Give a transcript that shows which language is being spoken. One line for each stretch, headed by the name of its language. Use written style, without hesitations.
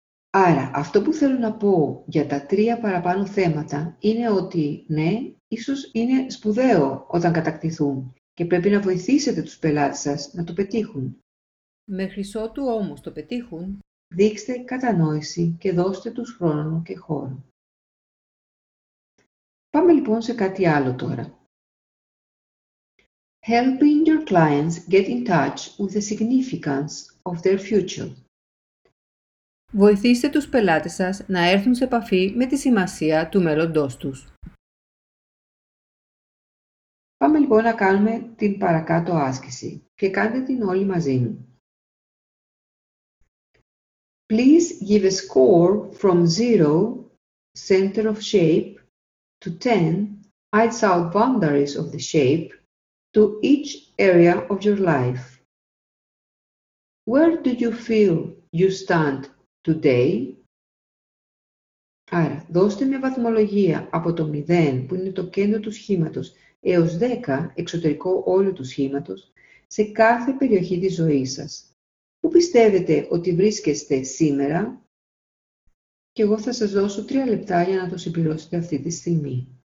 Greek: Άρα, αυτό που θέλω να πω για τα τρία παραπάνω θέματα είναι ότι ναι, ίσως είναι σπουδαίο όταν κατακτηθούν και πρέπει να βοηθήσετε τους πελάτες σας να το πετύχουν. Μέχρι ότου όμως το πετύχουν, δείξτε κατανόηση και δώστε τους χρόνο και χώρο. Πάμε λοιπόν σε κάτι άλλο τώρα.
English: Helping your clients get in touch with the significance of their future.
Greek: Βοηθήστε τους πελάτες σας να έρθουν σε επαφή με τη σημασία του μέλλοντός τους. Πάμε λοιπόν να κάνουμε την παρακάτω άσκηση και κάντε την όλη μαζί μου.
English: Please give a score from 0, center of shape, to 10, outside boundaries of the shape, to each area of your life. Where do you feel you stand today?
Greek: Άρα, δώστε μια βαθμολογία από το 0, που είναι το κέντρο του σχήματος, έως 10, εξωτερικό όλου του σχήματος, σε κάθε περιοχή της ζωής σας. Πού πιστεύετε ότι βρίσκεστε σήμερα? Και εγώ θα σας δώσω 3 λεπτά για να το συμπληρώσετε αυτή τη στιγμή.